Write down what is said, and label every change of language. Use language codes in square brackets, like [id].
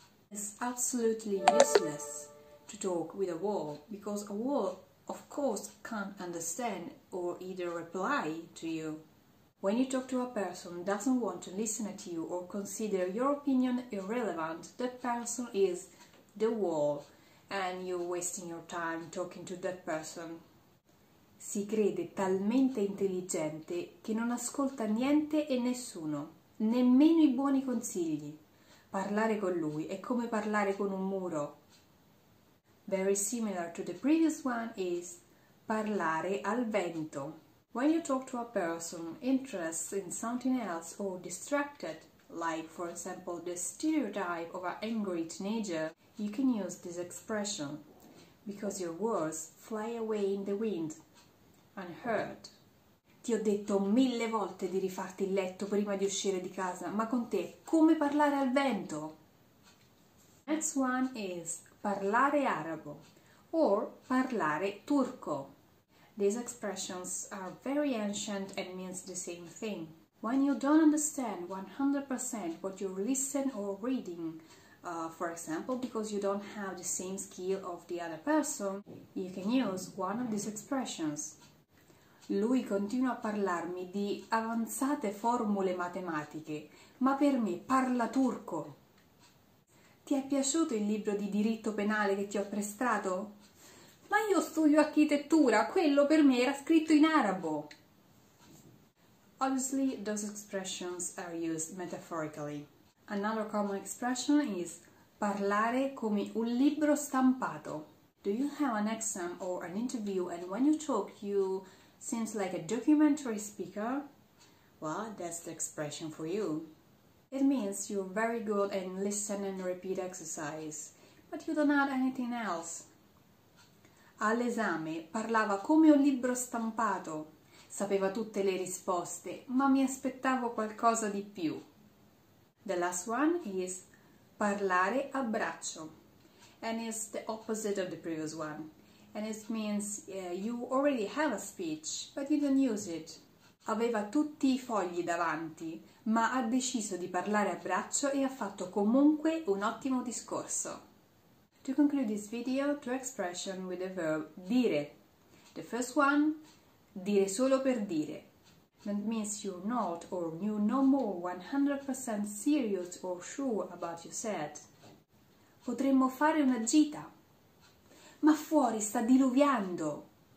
[en] It's absolutely useless to talk with a wall, because a wall, of course, can't understand or either reply to you. When you talk to a person who doesn't want to listen at you or consider your opinion irrelevant, that person is the wall, and you're wasting your time talking to that person. [it] Si crede talmente intelligente che non ascolta niente e nessuno, nemmeno i buoni consigli. Parlare con lui è come parlare con un muro. [en] Very similar to the previous one is parlare al vento. When you talk to a person interested in something else or distracted, like for example the stereotype of an angry teenager, you can use this expression, because your words fly away in the wind, unheard. [it] Ti ho detto mille volte di rifarti il letto prima di uscire di casa, ma con te come parlare al vento? [en] Next one is parlare arabo or parlare turco. These expressions are very ancient and means the same thing. When you don't understand 100% what you're listening or reading, for example, because you don't have the same skill of the other person, you can use one of these expressions. [it] Lui continua a parlarmi di avanzate formule matematiche, ma per me parla turco. Ti è piaciuto il libro di diritto penale che ti ho prestato? Ma io studio architettura, quello per me era scritto in arabo. [en] Obviously, those expressions are used metaphorically. Another common expression is parlare come un libro stampato. Do you have an exam or an interview and when you talk you seems like a documentary speaker? Well, that's the expression for you. It means you're very good in listen and repeat exercise, but you don't add anything else. [it] All'esame parlava come un libro stampato. Sapeva tutte le risposte, ma mi aspettavo qualcosa di più. [en] The last one is parlare a braccio, and it's the opposite of the previous one. And it means you already have a speech, but you don't use it. [it] Aveva tutti i fogli davanti, ma ha deciso di parlare a braccio e ha fatto comunque un ottimo discorso. [en] To conclude this video, two expressions with the verb dire. The first one, dire solo per dire. That means you're not or you no more 100% serious or sure about you said. [it] Potremmo fare una gita. Ma fuori sta diluviando.